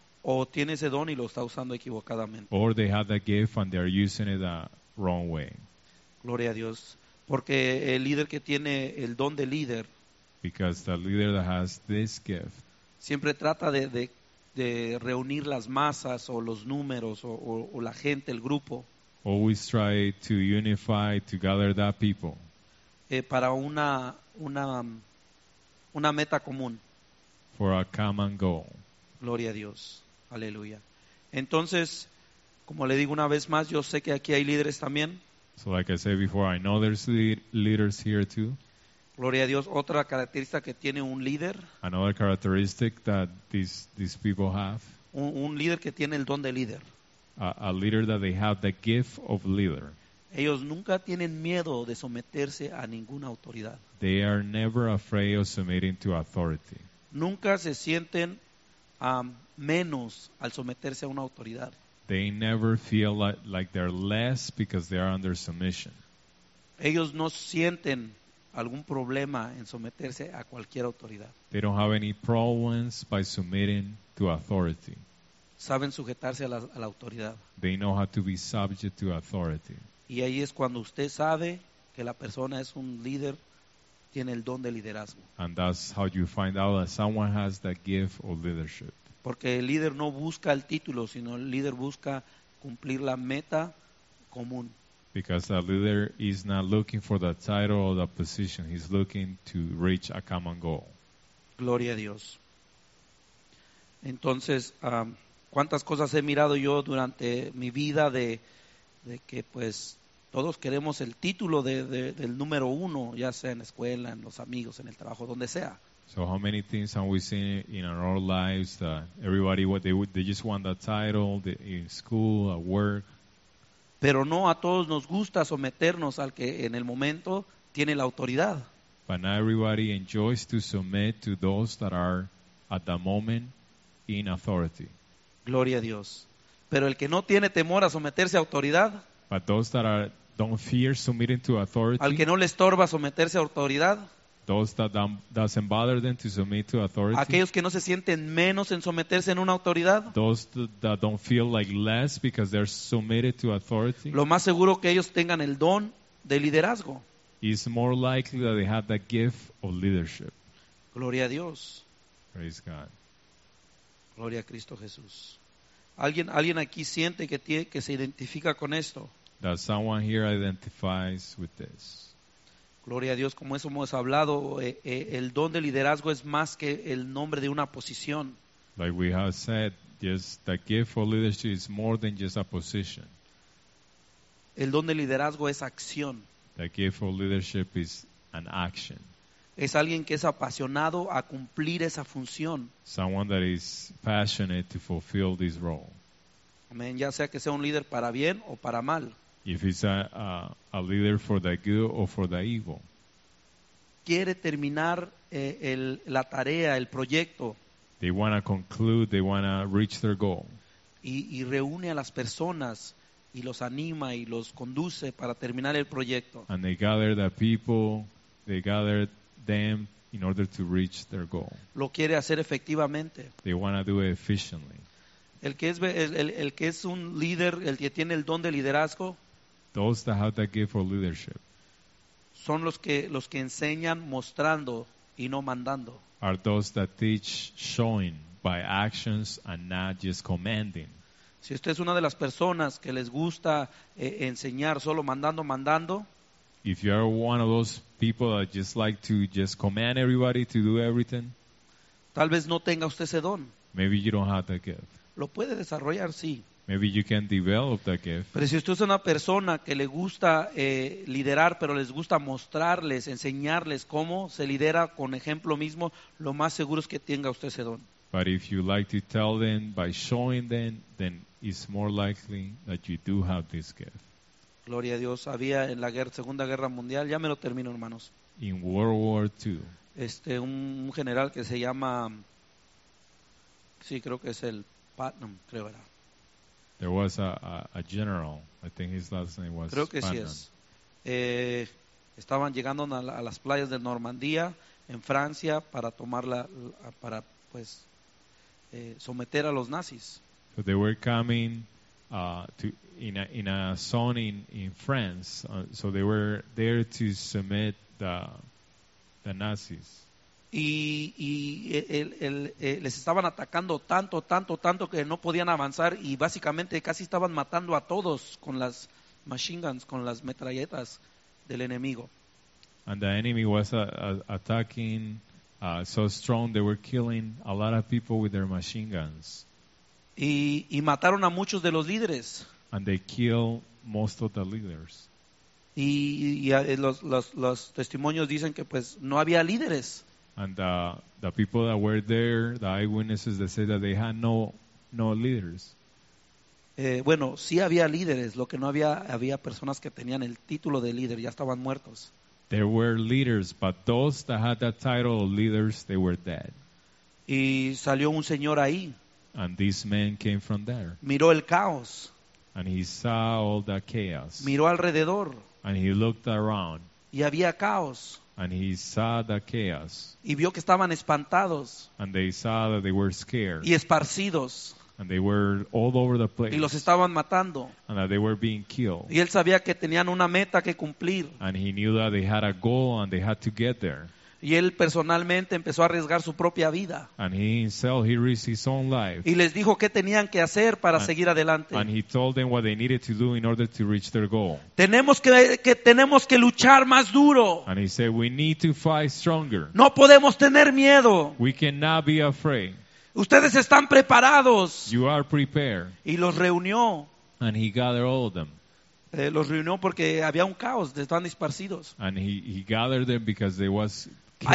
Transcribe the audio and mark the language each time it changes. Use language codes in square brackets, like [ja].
[es] O tiene ese don y lo está usando equivocadamente. [en] Or they have that gift and they are using it the wrong way. [es] Gloria a Dios. Porque el líder que tiene el don de líder. [en] Because the leader that has this gift. [es] Siempre trata de reunir las masas o los números o la gente, el grupo. [en] Always try to unify, to gather that people. [es] Para una meta común. [en] For a common goal. [es] Gloria a Dios. Aleluya. Entonces, como le digo una vez más, yo sé que aquí hay líderes también. [en] So like I said before, I know there's leaders here too. [es] Gloria a Dios. Otra característica que tiene un líder. [en] Another characteristic that these people have. [es] Un líder que tiene el don de líder. [en] A leader that they have the gift of leader. [es] Ellos nunca tienen miedo de someterse a ninguna autoridad. [en] They are never afraid of submitting to authority. [es] Nunca se sienten menos al someterse a una autoridad. [en] They never feel like they're less because they are under submission. [es] Ellos no sienten algún problema en someterse a cualquier autoridad. [en] They don't have any problems by submitting to authority. [es] Saben sujetarse a la autoridad. [en] They know how to be subject to authority. [es] Y ahí es cuando usted sabe que la persona es un líder, tiene el don de liderazgo. [en] And that's how you find out that someone has the gift of leadership. [es] Porque el líder no busca el título, sino el líder busca cumplir la meta común. [en] Because the leader is not looking for the title or the position. He's looking to reach a common goal. [es] Gloria a Dios. Entonces, ¿cuántas cosas he mirado yo durante mi vida de que pues todos queremos el título del número uno, ya sea en la escuela, en los amigos, en el trabajo, donde sea? [en] So how many things have we seen in our lives that everybody, they just want that title in school, at work? [es] Pero no a todos nos gusta someternos al que en el momento tiene la autoridad. [en] But not everybody enjoys to submit to those that are at the moment in authority. [es] Gloria a Dios. Pero el que no tiene temor a someterse a autoridad. [en] But those that don't fear submitting to authority. [es] Al que no le estorba someterse a autoridad. [en] Those that doesn't bother them to submit to authority. [es] Aquellos que no se sienten menos en someterse en una autoridad. [en] Those that don't feel like less because they're submitted to authority. [es] Lo más seguro que ellos tengan el don de liderazgo. [en] It's more likely that they have that gift of leadership. [es] Gloria a Dios. [en] Praise God. [es] Gloria a Cristo Jesús. ¿Alguien aquí siente que se identifica con esto? [en] That someone here identifies with this. [es] Gloria a Dios, como eso hemos hablado, el don de liderazgo es más que el nombre de una posición. [en] Like we have said, just the gift of leadership is more than just a position. [es] El don de liderazgo es acción. [en] The gift of leadership is an action. [es] Es alguien que es apasionado a cumplir esa función. [en] Someone that is passionate to fulfill this role. [es] Amén. Ya sea que sea un líder para bien o para mal. [en] If he's a leader for the good or for the evil. [es] Quiere terminar la tarea, el proyecto. [en] They want to conclude, they want to reach their goal. [es] Y reúne a las personas y los anima y los conduce para terminar el proyecto. [en] And they gather the people, they gather them in order to reach their goal. [es] Lo quiere hacer efectivamente. [en] They want to do it efficiently. [es] El que es un líder, el que tiene el don de liderazgo. [en] Those that have that gift for leadership. [es] Son los que enseñan mostrando y no mandando. [en] Are those that teach showing by actions and not just commanding. [es] Si usted es una de las personas que les gusta enseñar solo mandando. [en] If you are one of those people that just like to just command everybody to do everything. [es] Tal vez no tenga usted ese don. [en] Maybe you don't have that gift. [es] Lo puede desarrollar, sí. [en] Maybe you can develop that gift. [es] Pero si usted es una persona que le gusta liderar, pero les gusta mostrarles, enseñarles cómo se lidera con ejemplo mismo, lo más seguro es que tenga usted ese don. [en] But if you like to tell them by showing them, then it's more likely that you do have this gift. [es] Gloria a Dios. Había en la Segunda Guerra Mundial, ya me lo termino, hermanos. [en] In World War II. [es] Un general que se llama, sí, creo que es el Putnam, creo era. [en] There was a general. I think his last name was [es] creo que Putnam. Sí es. Estaban llegando a las playas de Normandía en Francia para tomar para pues someter a los nazis. [en] So they were coming in a zone in France, so they were there to submit the Nazis. [es] Y les estaban atacando tanto que no podían avanzar y básicamente casi estaban matando a todos con las [en] machine guns, [es] con las metralletas del enemigo. [en] And the enemy was attacking so strong they were killing a lot of people with their machine guns. [es] Y mataron a muchos de los líderes. [en] And they killed most of the leaders. [es] Y los testimonios dicen que pues no había líderes. [en] And the people that were there, the eyewitnesses, they said that they had no leaders. [es] Bueno, sí había líderes. Lo que no había personas que tenían el título de líder. Ya estaban muertos. [en] There were leaders, but those that had that title of leaders, they were dead. [es] Y salió un señor ahí. [en] And this man came from there. [es] Miró el caos. [en] And he saw all the chaos. [es] Miró alrededor. [en] And he looked around. [es] Y había caos. [en] And he saw the chaos. [es] Y vio que estaban espantados. [en] And they saw that they were scared. [es] Y esparcidos. [en] And they were all over the place. [es] Y los estaban matando. [en] And that they were being killed. [es] Y él sabía que tenían una meta que cumplir. [en] And he knew that they had a goal and they had to get there. [es] Y él personalmente empezó a arriesgar su propia vida. [en] And he himself, he risked his own life. [es] Y les dijo qué tenían que hacer para seguir adelante. [en] And he told them what they needed to do in order to reach their goal. [es] Tenemos que luchar más duro. [en] And he said, we need to fight stronger. [es] No podemos tener miedo. [en] We cannot be afraid. [es] Ustedes están preparados. [en] You are prepared. [es] Y los reunió. [en] And he gathered all of them. [es] Los reunió porque había un caos, estaban esparcidos. [en] And he gathered them because there was chaos.